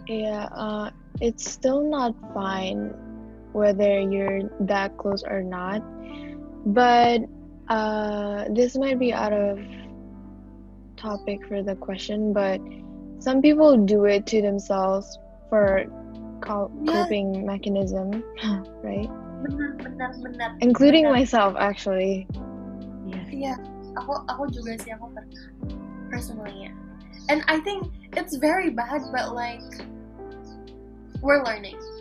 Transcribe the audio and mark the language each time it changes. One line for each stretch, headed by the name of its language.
English: Yeah, it's still not fine whether you're that close or not, but this might be out of topic for the question, but some people do it to themselves for coping mechanism, right?
Indonesian: Benar.
English: Including myself actually.
Indonesian: Aku juga sih, aku personally.
English: And I think it's very bad, but like we're learning.